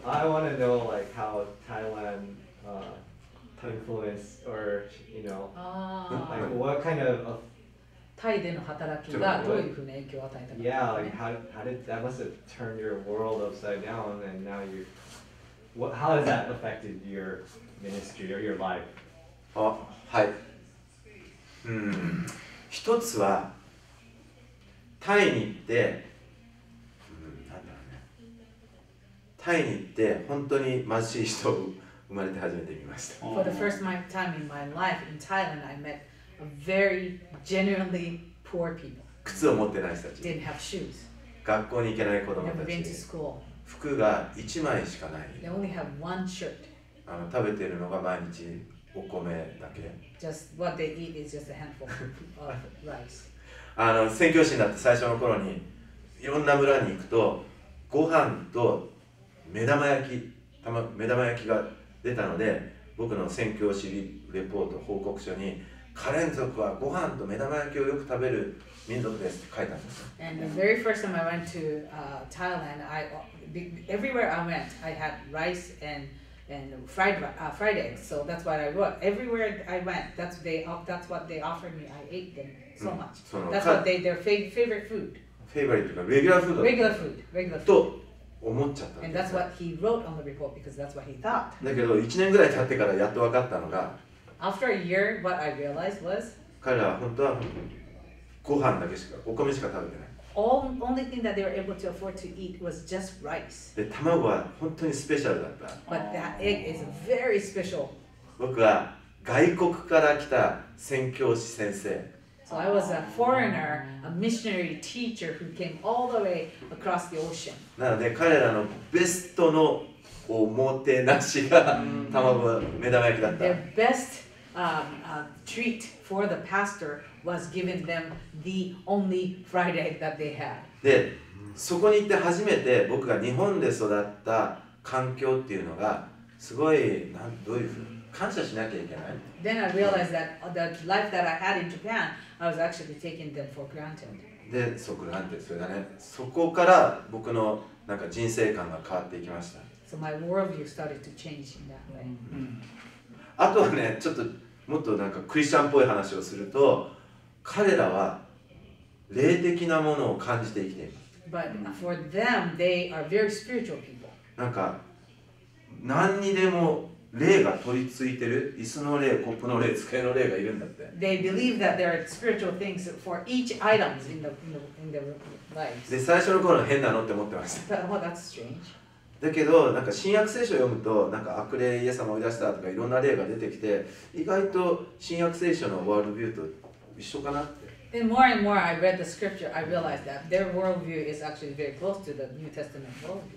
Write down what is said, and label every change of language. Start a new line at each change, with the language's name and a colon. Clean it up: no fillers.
English: I want to know like how Thailand influence or you know like what kind of
Japanese: タイでの働きがどういうふうな影響を与えたか。
English: Yeah, like how did that must have turned your world upside down and now you what how has that affected yourministry or your life?
Japanese: あ、はい。うん。一つは、タイに行って、なんだろうね。タイに行って、本当に貧しい人を生まれて初めて見ました。
English: For the first time in my life in Thailand, I met a very genuinely poor people.
Japanese: 靴を持ってない人たち。
English: Didn't have shoes.
Japanese: 学校に行けない子供たち。
English: Never been to school.
Japanese: 服が1枚しかない。
English: They only have one shirt.
Japanese: 食べてるのが毎日お米だけ。
English: Just what they eat is just a handful of rice.
Japanese: 宣教師になって最初の頃にいろんな村に行くとご飯と目玉焼き、目玉焼きが出たので僕の宣教師レポート報告書にカレン族はご飯と目玉焼きをよく食べる民族ですって書いたんです。
English: And the very first time I went to Thailand, everywhere I went, I had rice and fried eggs, so that's what I wrote. Everywhere I went, that's what they offered me. I ate them so much. That's what their favorite food. Favorite とか regular food? Regular food.
Japanese: と思っちゃった。
English: And that's what he wrote on the report, because that's what he thought.
Japanese: だけど1年ぐらい経ってからやっと分かったのが
English: After a year, what I realized was
Japanese: 彼らは本当はご飯だけしか、お米しか食べてない。
English: Only thing that they were able to afford to eat was just rice.
Japanese: で、卵は本当にスペシャルだった。
English: But that egg is very special.
Japanese: 僕は外国から来た宣教師先生。
English: So I was a foreigner, a missionary teacher who came all the way across the ocean.
Japanese: なので彼らのベストのおもてなしが卵、目玉焼きだった。
English: Their best, treat for the pastor. Was giving them the only fried egg that they had.
Japanese: で、そこに行って初めて僕が日本で育った環境っていうのがすごいなんどういうふうに感謝しなきゃいけない。
English: Then I realized that the life that I had in Japan, I was actually taking them for granted.
Japanese: で、そう、グランテッド、それだね。そこから僕のなんか人生観が変わっていきました。
English: So my worldview started to change in that way.
Japanese: あとはね、ちょっともっとなんかクリスチャンっぽい話をすると、彼らは霊的なものを感じて生きています。
English: But for them, they are very spiritual people.
Japanese: なんか何にでも霊が取り付いてる、椅子の霊、コップの霊、机の霊がいるんだって。
English: They believe that there are spiritual things for each item in their lives.
Japanese: で最初の頃は変なのって思ってました。
English: But, well, that's strange.
Japanese: だけど、なんか新約聖書を読むと、なんか悪霊イエス様を追い出したとかいろんな例が出てきて、意外と新約聖書のワールドビューと一緒かなって。
English: And more and more I read the scripture, I realized that their worldview is actually very close to the New Testament worldview.